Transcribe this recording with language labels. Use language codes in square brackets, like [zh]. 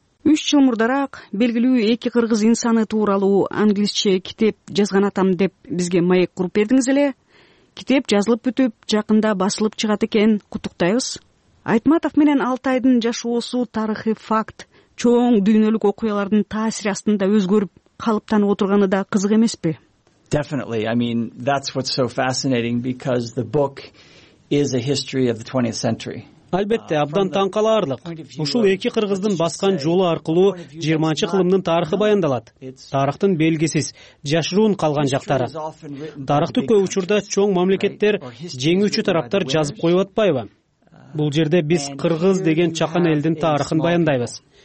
[ky] 3 жыл мурдараак белгилүү эки кыргыз инсаны тууралуу англисче китеп жазган атам деп бизге маек куруп бердиңиз эле. Китеп жазылып бүтүп, жакында басылып чыгат экен, куттуктайбыз. Айтматов менен Алтайдын жашоосу тарыхый факт, чоң дүйнөлүк окуялардын таасири астында өзгөрүп, калыптанып отурганы да кызык эмеспи? [en] Definitely. I mean, that's what's so fascinating because the book is a history of the 20th century. [ky] Албетте, абдан таң калаарлык. Ушул эки кыргыздын баскан жолу аркылуу 20-чы кылымдын тарыхы баяндалат. Тарыхтын белгисиз, жашыруун калган жактары. Тарыхты көп учурда чоң мамлекеттер, жеңүүчү тараптар жазып коюп атпайбы? Бул жерде биз кыргыз деген чакан элдин тарыхын баяндайбыз.